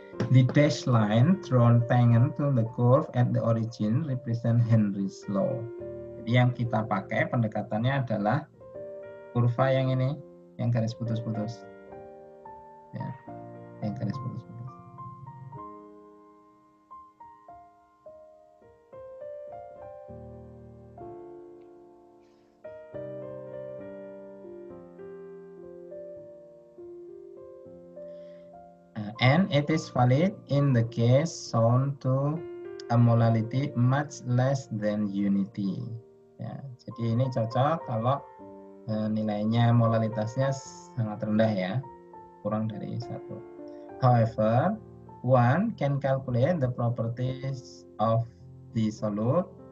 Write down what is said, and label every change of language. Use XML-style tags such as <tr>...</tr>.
<en>The dashed line drawn tangent to the curve at the origin represent Henry's law.</en> <id>Jadi yang kita pakai pendekatannya adalah kurva yang ini, yang garis putus-putus. Ya, yang garis putus-putus.</id> <en>And it is valid in the case shown to a molality much less than unity.</en> <id>Ya, jadi ini cocok kalau nilainya molalitasnya sangat rendah ya, kurang dari 1.</id> <en>However, one can calculate the properties of the solute.</en>